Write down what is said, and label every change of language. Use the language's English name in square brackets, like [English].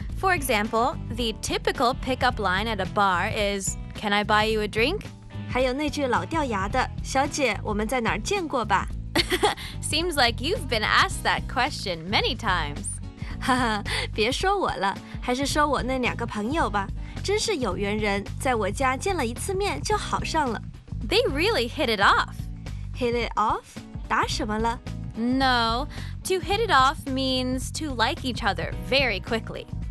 [English] For example, the typical pickup line at a bar is, Can I buy you a drink? [Chinese] 还有那句老掉牙的，小姐，我们在哪儿见过吧？ [English] Seems like you've been asked that question many times. [Chinese] 别说我了，还是说我那两个朋友吧，真是有缘人，在我家见了一次面就好上了。 [English] They really hit it off. Hit it off? [Chinese] 打什么了？ [English] No, to hit it off means to like each other very quickly.